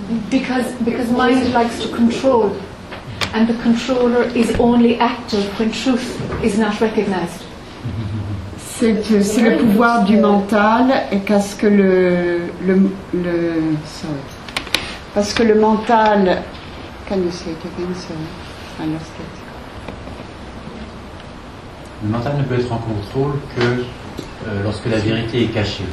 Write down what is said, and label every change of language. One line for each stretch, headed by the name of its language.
English: Because mind likes to control, and the controller is only active when truth is not recognized.
French: C'est le pouvoir du mental, et parce que le sorry. Parce que le mental.
English: Can you say it again? Sorry, I lost it.
French: Le mental ne peut être en contrôle que lorsque la vérité est cachée.